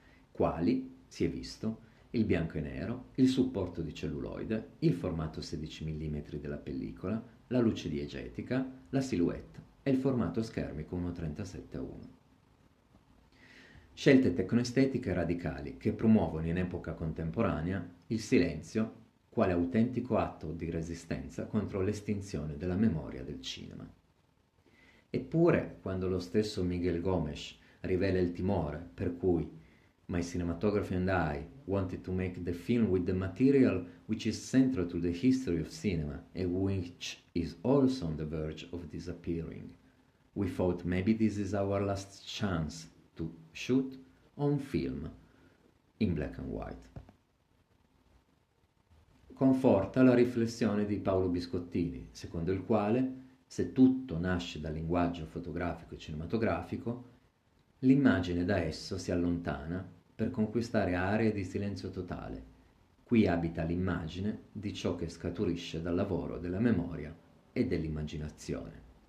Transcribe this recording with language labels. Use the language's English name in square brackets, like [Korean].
[Italian] quali, si è visto, il bianco e nero, il supporto di celluloide, il formato 16 mm della pellicola, la luce diegetica, la silhouette e il formato schermico 1.37:1. Scelte tecnoestetiche radicali che promuovono in epoca contemporanea il silenzio quale autentico atto di resistenza contro l'estinzione della memoria del cinema. Eppure, quando lo stesso Miguel Gomes rivela il timore per cui [English] My cinematography and I wanted to make the film with the material which is central to the history of cinema and which is also on the verge of disappearing, we thought maybe this is our last chance to shoot on film in black and white. [Italian] Conforta la riflessione di Paolo Biscottini, secondo il quale, se tutto nasce dal linguaggio fotografico e cinematografico, l'immagine da esso si allontana per conquistare aree di silenzio totale. Qui abita l'immagine di ciò che scaturisce dal lavoro della memoria e dell'immaginazione.